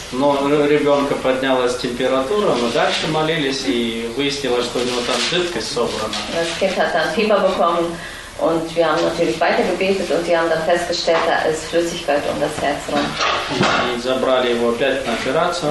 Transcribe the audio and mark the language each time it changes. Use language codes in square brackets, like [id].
[ru] Но ребенка поднялась температура, мы дальше молились и выяснилось, что у него там жидкость собрана. [de] Das Kind hat dann Fieber bekommen und wir haben natürlich weiter gebetet und sie haben dann festgestellt, da ist Flüssigkeit um das Herz rum. [ru] И забрали его опять на операцию.